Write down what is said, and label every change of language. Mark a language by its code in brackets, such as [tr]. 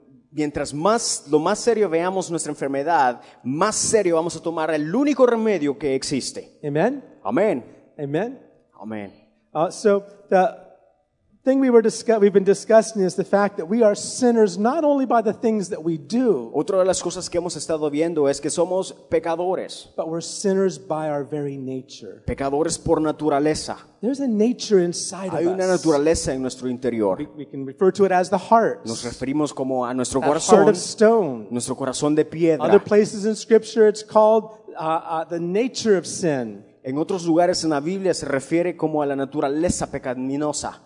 [es] Mientras más lo más serio veamos nuestra enfermedad, más serio vamos a tomar el único remedio que existe. [en] Amen. Amen. Amen. Amen. So the thing we've been discussing is the fact that we are sinners not only by the things that we do. [es] Otra de las cosas que hemos estado viendo es que somos pecadores. [en] But we're sinners by our very nature. [es] Pecadores por naturaleza. [en] There's a nature inside [es] Hay Hay una naturaleza en nuestro interior. [en] We can refer to it as the heart. [es] Nos referimos como a nuestro [en] that [es] corazón. [en] Heart of stone. [es] Nuestro corazón de piedra. [en] Other places in Scripture, it's called the nature of sin. [es] En otros lugares en la Biblia se refiere como a la naturaleza pecaminosa.